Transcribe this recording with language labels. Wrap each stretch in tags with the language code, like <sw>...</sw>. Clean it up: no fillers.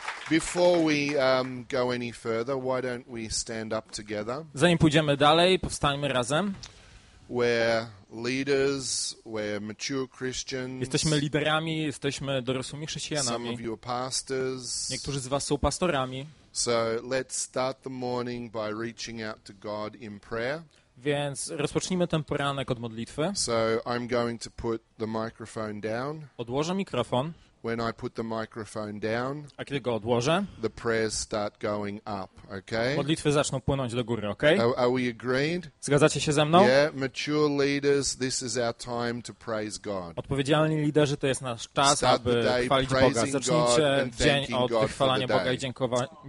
<en>Before we go any further, why don't we stand up together?</en> <pl>Zanim pójdziemy dalej, powstańmy razem.</pl> <en>We're leaders, we're mature Christians.</en> <pl>Jesteśmy liderami, jesteśmy dorosłymi chrześcijanami.</pl> <en>Some of you are pastors.</en> <pl>Niektórzy z was są pastorami.</pl> <en>So let's start the morning by reaching out to God in prayer.</en> <pl>Więc rozpocznijmy ten poranek od modlitwy.</pl> <en>So I'm going to put the microphone down.</en> <pl>Odłożę mikrofon.</pl> <en>When I put the microphone down,</en> <pl>a kiedy go odłożę,</pl> <en>the prayers start going up, okay?</en> <pl>Modlitwy zaczną płynąć do góry, okay?</pl> <en>Are we agreed?</en> <pl>Zgadzacie się ze mną?</pl> <en>Yeah, mature leaders, this is our time to praise God.</en> <pl>Odpowiedzialni liderzy, to jest nasz czas,</pl> <en>start</en> <pl>aby chwalić Boga. Zacznijcie dzień od wychwalania Boga i dziękowania</pl>